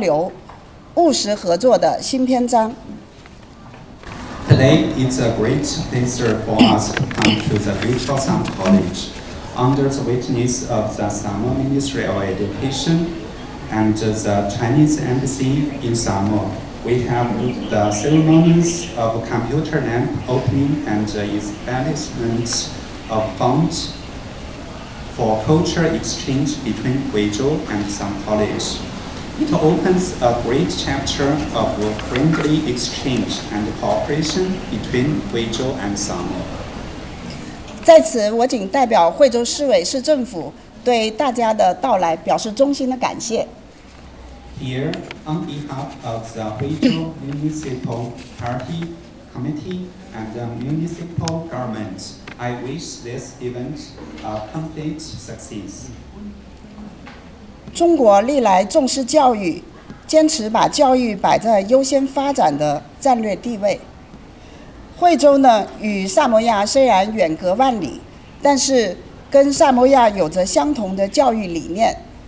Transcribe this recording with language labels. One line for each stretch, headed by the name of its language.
Chinese: 今天我们非常高兴地来到美丽的萨摩亚中学，在萨摩亚教育体育文化部和驻萨的大使馆等各位领导的见证下，举行电脑设备的交接仪式及人文交流基金的设立仪式，开启会萨友谊交流、务实合作的新篇章。
English: Today, it's a great pleasure for us to come to the beautiful Samoa College under the witness of the Samoa Ministry of Education and the Chinese Embassy in Samoa. We have the ceremonies of computer lab opening and the establishment of funds for culture exchange between Huizhou and Samoa College. It opens a great chapter of friendly exchange and cooperation between Huizhou and Samoa.
Chinese: 在此，我谨代表惠州市委市政府对大家的到来表示衷心的感谢。
English: Here, on behalf of the Huizhou Municipal Party Committee and the Municipal Government, I wish this event a complete success.
Chinese: 中国历来重视教育, 坚持把教育摆在优先发展的战略地位。惠州呢, 与萨摩亚虽然远隔万里, 但是跟萨摩亚有着相同的教育理念。